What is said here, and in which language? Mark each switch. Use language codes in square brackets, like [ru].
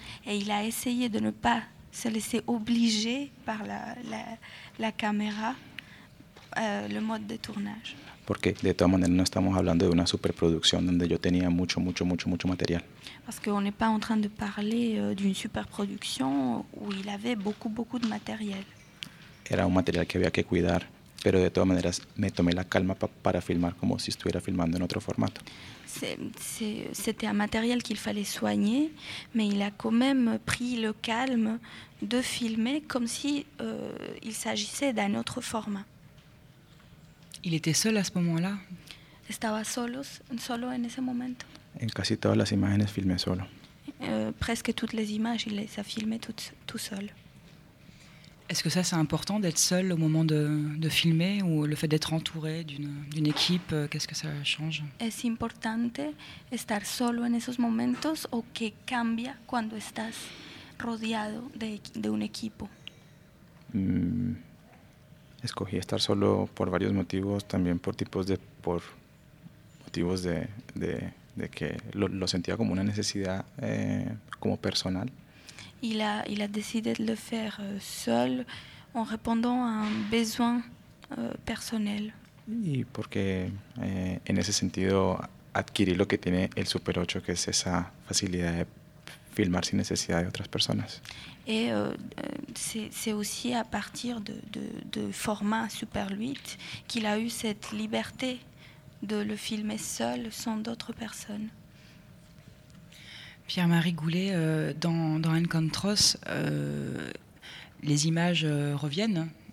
[fr] Et il a essayé de ne pas se laisser obliger par la caméra le mode de tournage. [es] Porque de todas maneras no estamos hablando de una superproducción donde yo tenía mucho mucho mucho mucho material. [fr] Parce qu'on n'est pas en train de parler d'une superproduction où il avait beaucoup beaucoup de matériel. [es] Era un material que había que cuidar, pero de todas maneras me tomé la calma para filmar como si estuviera filmando en otro formato. [fr] C'était un matériel qu'il fallait soigner, mais il a quand même pris le calme de filmer comme si il s'agissait d'un autre format. Il était seul à ce moment-là. [es] Estaba solo en ese momento. En casi todas las imágenes filmé solo. [fr] Presque toutes les images il les a filmées tout seul. Est-ce que ça c'est important d'être seul au moment de filmer ou le fait d'être entouré d'une équipe, qu'est-ce que ça change? [es] Es importante estar solo en esos momentos o qué cambia cuando estás rodeado de un equipo? Escogí estar solo por varios motivos, también por motivos de que lo sentía como una necesidad como personal. [fr] Il a décidé de le faire seul en répondant à un besoin personnel. [es] Y porque en ese sentido adquirí lo que tiene el Super 8, que es esa facilidad de filmar sin necesidad de otras personas. [fr] Et c'est aussi à partir de format Super 8 qu'il a eu cette liberté de le filmer seul sans d'autres personnes. Pierre-Marie Goulet, dans Encontros, les images reviennent.